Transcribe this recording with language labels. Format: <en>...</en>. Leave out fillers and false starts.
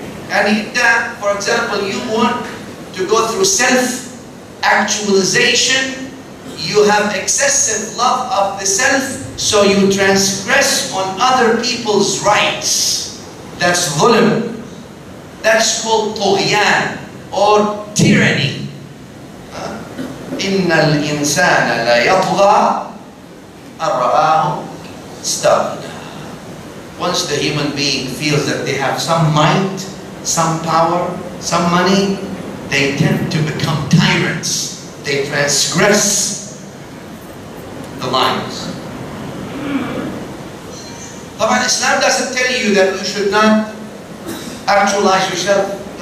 <en>And in that, for example, you want to go through self-actualization. You have excessive love of the self, so you transgress on other people's rights. That's dhulm. That's called tughyan or tyranny.</en> <ar>إن الإنسان لا يطغى أرآه استغنى.</ar> <en>Once the human being feels that they have some might, some power, some money, they tend to become tyrants. They transgress the lines.</en> <ar>طبعاً</ar> <en>Islam doesn't tell you that you should not actualize yourself.</en>